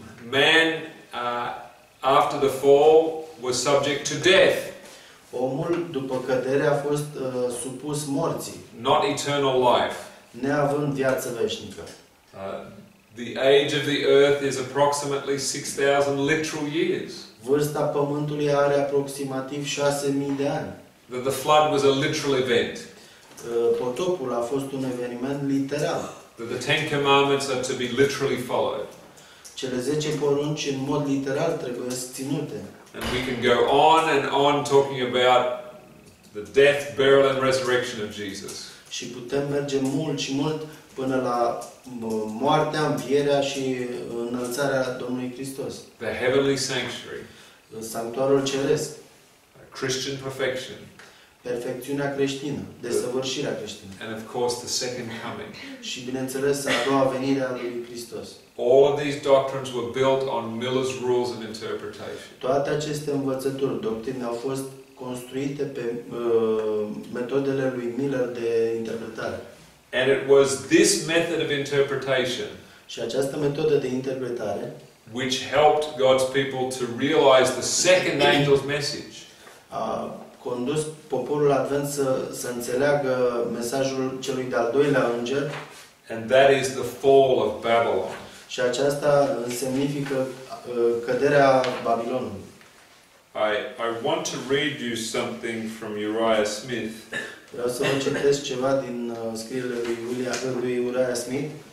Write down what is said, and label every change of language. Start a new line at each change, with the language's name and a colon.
English: Man after the fall was subject to death.
Romanian: Omul după cădere a fost supus morții.
English: Not eternal life.
Romanian: Neavând viață veșnică.
English: The age of the earth is approximately 6000 literal years.
Romanian: Vârsta pământului are aproximativ 6000 de ani.
English: The flood was a literal event.
Romanian: Potopul a fost un eveniment literal.
English: The Ten Commandments are to be literally followed.
Romanian: Cele 10 porunci în mod literal trebuie ținute.
English: And we can go on and on talking about the death, burial and resurrection of Jesus.
Romanian: Și putem merge mult și mult până la moartea, învierea și înălțarea Domnului Hristos.
English: The heavenly sanctuary.
Romanian: Sanctuarul ceresc.
English: A Christian perfection.
Romanian: Perfecțiunea creștină, desăvârșirea creștină.
English: And of course the second coming.
Romanian: Și bineînțeles a doua venire a lui Hristos.
English: All of these doctrines were built on Miller's rules of interpretation.
Romanian: Toate aceste învățături, doctrine au fost construite pe metodele lui Miller de interpretare.
English: And it was this method of interpretation.
Romanian: Și această metodă de interpretare
English: which helped God's people to realize the second angel's message.
Romanian: A condus poporul advent să înțeleagă mesajul celui de-al doilea înger.
English: And that is the fall of Babylon.
Romanian: Și aceasta semnifică căderea Babilonului.
English: I want to read you something from Uriah Smith.
Romanian: Vreau să vă citesc ceva din scrierile lui Uriah Smith.